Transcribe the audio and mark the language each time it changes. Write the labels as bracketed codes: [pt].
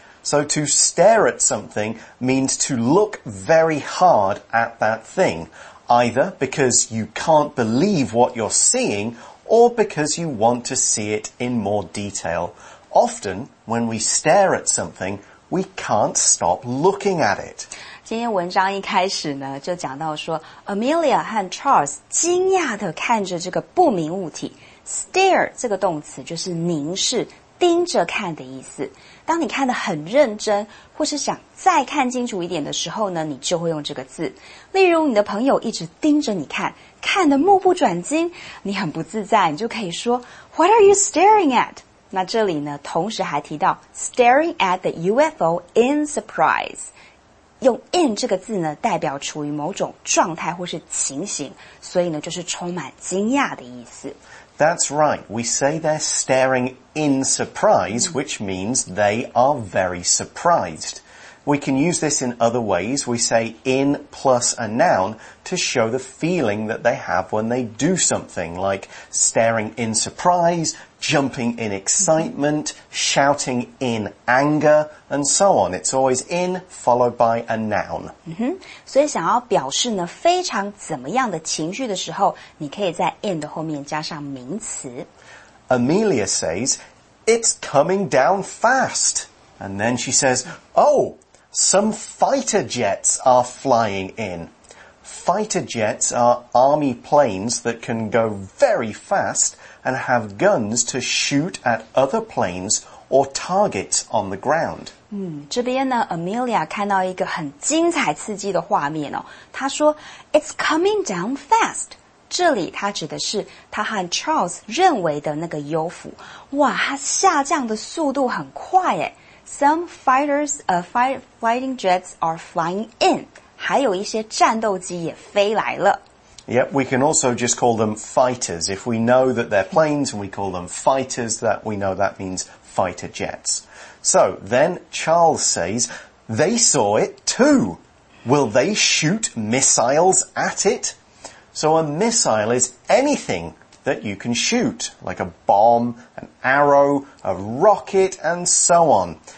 [en] So to stare at something means to look very hard at that thing, either because you can't believe what you're seeing or because you want to see it in more detail. Often, when we stare at something, we can't stop looking at it. [zh] 今天文章一开始呢就讲到说 Amelia 和 Charles 惊讶地看着这个不明物体 Stare 这个动词就是凝视盯着看的意思当你看得很认真或是想再看清楚一点的时候呢你就会用这个字例如你的朋友一直盯着你看看得目不转睛你很不自在你就可以说 [en] What are you staring at? [zh] 那这里呢同时还提到 [en] Staring at the UFO in surprise [zh] 用 in 这个字呢代表处于某种状态或是情形所以呢就是充满惊讶的意思 [en] That's right, we say they're staring in surprise, which means they are very surprised. We can use this in other ways, we say in plus a noun to show the feeling that they have when they do something, like staring in surprise, jumping in excitement, shouting in anger, and so on. It's always in followed by a noun. [zh] 所以想要表示呢非常怎么样的情绪的时候你可以在 in 的后面加上名词 [en] Amelia says, it's coming down fast. And then she says, oh, some fighter jets are flying in. Fighter jets are army planes that can go very fast,and have guns to shoot at other planes or targets on the ground. [zh] 这边呢 ,Amelia 看到一个很精彩刺激的画面哦。她说 [en] ,it's coming down fast. [zh] 这里她指的是她和 Charles 认为的那个幽浮。哇她下降的速度很快耶。 [en] Some fighters, fighting jets are flying in. [zh] 还有一些战斗机也飞来了。 [en] Yep, we can also just call them fighters. If we know that they're planes and we call them fighters, that we know that means fighter jets. So then Charles says, they saw it too. Will they shoot missiles at it? So a missile is anything that you can shoot, like a bomb, an arrow, a rocket, and so on.